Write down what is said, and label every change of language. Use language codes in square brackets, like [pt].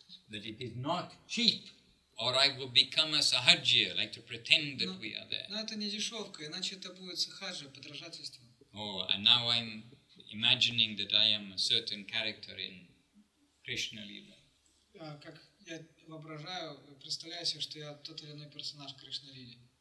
[en] But it is not cheap, or I will become a sahajya, like to pretend that we are there. [ru] Но это не дешевка, иначе это будет сахаджа, подражательство. [en] Oh, and now I'm imagining that I am a certain character in Krishna Lila. [ru] Как я воображаю, представляю себе, что я тот или иной персонаж Кришна Лили.